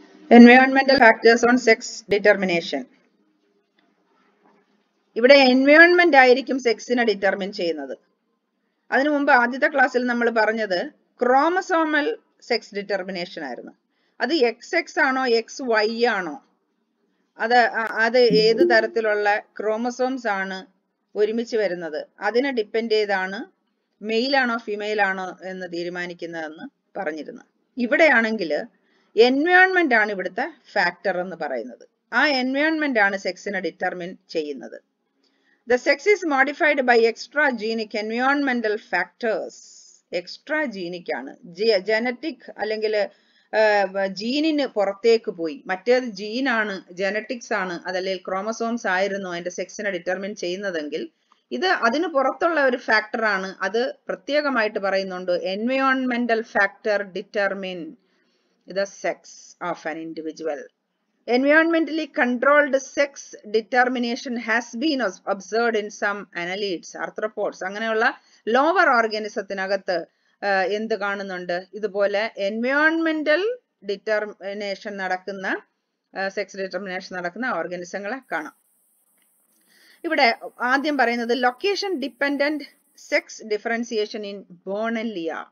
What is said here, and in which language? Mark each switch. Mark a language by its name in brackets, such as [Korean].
[English] Environmental factors on sex determination. [Malayalam] ഇവിടെ environment ആയിരിക്കും സെക്സിനെ determine ചെയ്യുന്നത്. അതിനു മുമ്പ് ആദ്യത്തെ ക്ലാസ്സിൽ നമ്മൾ പറഞ്ഞത് ക്രോമസോമൽ സെക്സ് ഡിറ്റർമിനേഷൻ ആയിരുന്നു. അത് എക്സ് എക്സ് ആണോ എക്സ് വൈ ആണോ, അത് അത് ഏത് തരത്തിലുള്ള ക്രോമസോംസ് ആണ് ഒരുമിച്ച് വരുന്നത് അതിനെ ഡിപ്പെൻഡ് ചെയ്താണ് മെയിൽ ആണോ ഫിമെയിൽ ആണോ എന്ന് തീരുമാനിക്കുന്നതെന്ന് പറഞ്ഞിരുന്നു. ഇവിടെയാണെങ്കിൽ എൻവയോൺമെന്റ് ആണ് ഇവിടുത്തെ ഫാക്ടർ എന്ന് പറയുന്നത്. ആ എൻവയോൺമെന്റ് ആണ് സെക്സിനെ ഡിറ്റർമിൻ ചെയ്യുന്നത്. [English] The sex is modified by extragenic environmental factors. [Malayalam] Extragenic ആണ്, genetic അല്ലെങ്കിൽ ജീനിന് പുറത്തേക്ക് പോയി, മറ്റേത് ജീനാണ് ജെനറ്റിക്സ് ആണ് അതല്ലെങ്കിൽ ക്രോമസോംസ് ആയിരുന്നു അതിന്റെ സെക്സിനെ ഡിറ്റർമിൻ ചെയ്യുന്നതെങ്കിൽ ഇത് അതിന് പുറത്തുള്ള ഒരു ഫാക്ടർ ആണ്. അത് പ്രത്യേകമായിട്ട് പറയുന്നുണ്ട് [English] എൻവയോൺമെന്റൽ factor determine the sex of an individual. Environmentally controlled sex determination has been observed in some annelids, arthropods. [Malayalam] അങ്ങനെയുള്ള ലോവർ ഓർഗാനിസത്തിനകത്ത് എന്ത് കാണുന്നുണ്ട്? ഇതുപോലെ എൻവയോൺമെന്റൽ ഡിറ്റർമിനേഷൻ നടക്കുന്ന സെക്സ് ഡിറ്റർമിനേഷൻ നടക്കുന്ന ഓർഗാനിസങ്ങളെ കാണാം. ഇവിടെ ആദ്യം പറയുന്നത് [English] Location dependent sex differentiation in Bonellia.